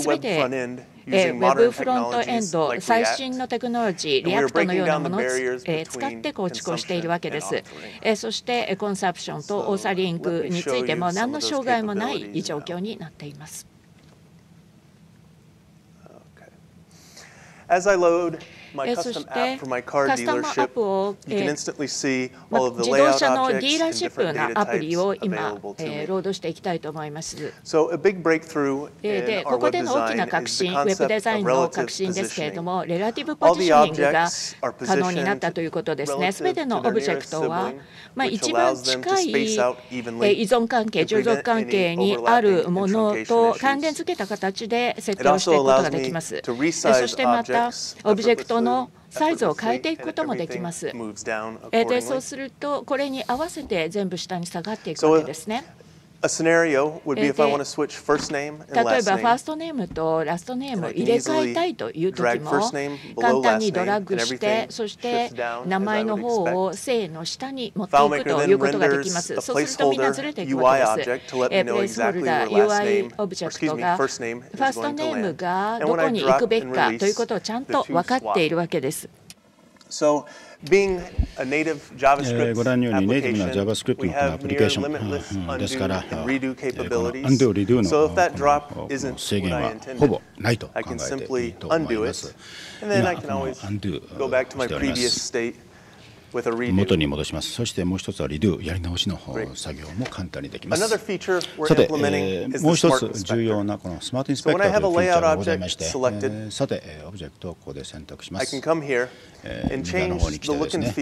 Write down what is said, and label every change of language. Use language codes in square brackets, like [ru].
[ja] すべてウェブフロントエンド、最新のテクノロジー、リアクトのようなものを使って構築をしているわけです。そしてコンサンプションとオーサリングについても何の障害もない状況になっています。 [en] As I load my custom app for my car dealership, you can instantly see all of the layout objects and different data types available to me. So a big breakthrough in our web design is the concept of relative positioning. All the objects are positioned relative to their nearest sibling, which allows them to space out evenly to prevent any overlapping in translocation issues. It also allows me to resize objects as a group. [ja] サイズを変えていくこともできます。で、そうするとこれに合わせて全部下に下がっていくわけですね。 [en] A scenario would be if I want to switch first name and last name. [ja] 例えばファーストネームとラストネームを入れ替えたいという時も、簡単にドラッグして、そして名前の方を姓の下に持っていくということができます。そうするとみんなずれていくわけです。プレースホルダー、UI オブジェクトが、ファーストネームがどこに行くべきかということをちゃんと分かっているわけです。 [en] Being a native JavaScript application, we have near limitless undo and redo capabilities. So if that drop isn't what I intended, I can simply undo it, and then I can always go back to my previous state. [ja] 元に戻します。そしてもう一つはリドゥやり直しの作業も簡単にできます。さて、もう一つ重要なこのスマートインスペクターというフィーチャーがございまして、さて、オブジェクトをここで選択します。メダの方に来てですね、メ